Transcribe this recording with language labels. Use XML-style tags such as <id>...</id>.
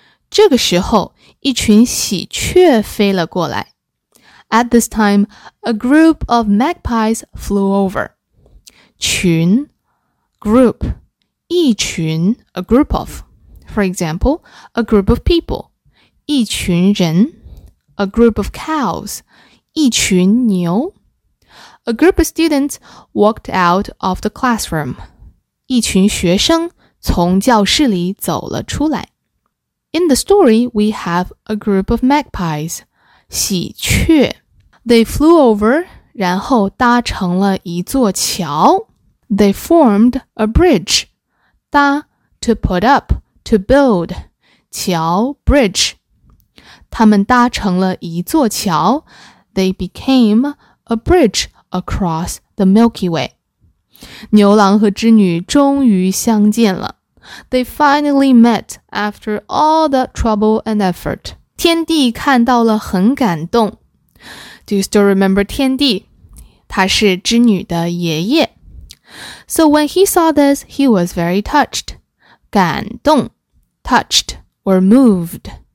<zh>这个时候一群喜鹊飞了过来。</zh> <en>At this time, a group of magpies flew over. 群 group 一群 a group of. For example, a group of people 一群人 a group of cows一群牛。 A group of students walked out of the classroom.</en> <zh>一群学生从教室里走了出来。</zh> <en>In the story, we have a group of magpies.</en> <zh>喜鹊。</zh> <en>They flew over,</en> <zh>然后搭成了一座桥。</zh> <en>They formed a bridge. 搭, to put up, to build.</en> <zh>桥, bridge. 他们搭成了一座桥。</zh> <en>They became a bridge across the Milky Way.</en> <zh>牛郎和织女终于相见了。</zh> <en>They finally met after all the trouble and effort.</en> <zh>天帝看到了很感动。</zh> <en>Do you still remember 天帝?</en> <zh>他是织女的爷爷。</zh> <en>So when he saw this, he was very touched. 感动, touched, or moved.</en>